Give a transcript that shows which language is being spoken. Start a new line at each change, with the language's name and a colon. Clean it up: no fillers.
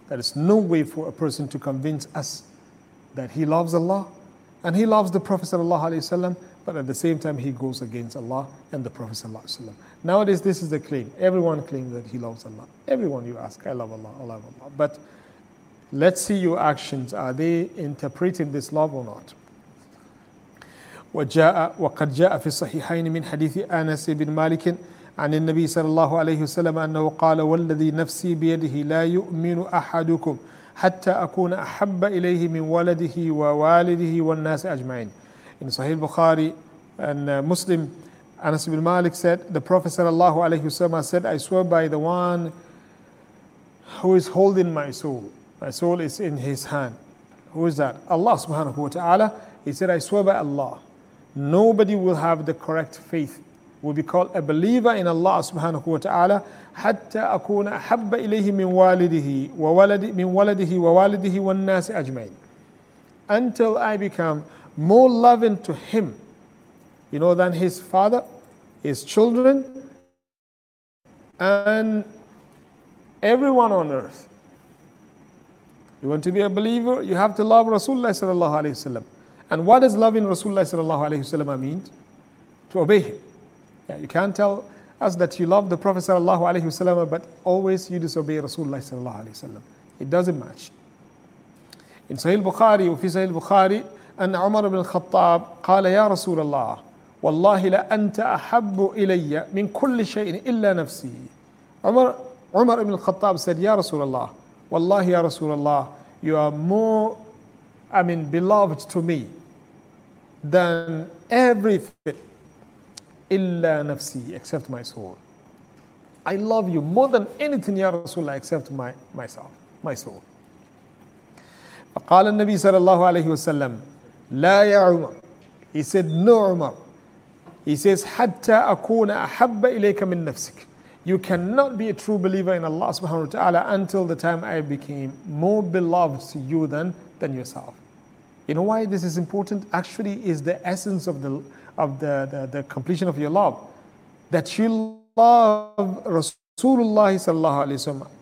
English: There is no way for a person to convince us that he loves Allah and he loves the Prophet sallallahu alaihi wasallam, but at the same time he goes against Allah and the Prophet sallallahu alaihi wasallam. Nowadays, this is the claim. Everyone claims that he loves Allah. Everyone you ask, I love Allah. But let's see your actions. Are they interpreting this love or not?
Arabic: وقد جاء في الصحيحين من حديث أنس بن مالك عن النبي صلى الله عليه وسلم أنه قال والذي نفسي بيده لا يؤمن أحدكم حتى أكون أحب إليه من ولده ووالده والناس أجمعين.
English: In Sahih Bukhari and Muslim, Anas ibn Malik said, the Prophet sallallahu alayhi wa sallam said, I swear by the one who is holding my soul. My soul is in his hand. Who is that? Allah subhanahu wa ta'ala. He said, I swear by Allah. Nobody will have the correct faith, will be called a believer in Allah subhanahu wa ta'ala.
Arabic: Hatta akuna habba ilayhi min waladihi wa nasi ajmain.
English: Until I become more loving to him, you know, than his father, his children, and everyone on earth. You want to be a believer, you have to love Rasulullah sallallahu alayhi wa sallam. And what does loving Rasulullah sallallahu alayhi wa sallam mean? To obey him. Yeah, you can't tell us that you love the Prophet sallallahu alayhi wa sallam, but always you disobey Rasulullah sallallahu alayhi wa sallam. It doesn't match. In Sahih Bukhari,
Arabic: وفي Sahih Bukhari, أن عمر بن الخطاب قال يا رسول الله والله لا أنت أحب إلي من كل شيء إلا نفسي.
English: عمر بن الخطاب said,
Arabic: يا رسول الله والله يا رسول الله,
English: you are more, I mean, beloved to me than everything,
Arabic: إلا نفسي,
English: except my soul. I love you more than anything,
Arabic: يا رسول الله,
English: except myself, my soul.
Arabic: فقال النبي صلى الله عليه وسلم لا يا عمر.
English: He said, no, Umar. He says,
Arabic: حَتَّى أَكُونَ أَحَبَّ إِلَيْكَ مِنْ نَفْسِكَ.
English: You cannot be a true believer in Allah subhanahu wa ta'ala until the time I became more beloved to you than yourself. You know why this is important? Actually, is the essence of the completion of your love. That you love Rasulullah sallallahu alayhi wa sallam.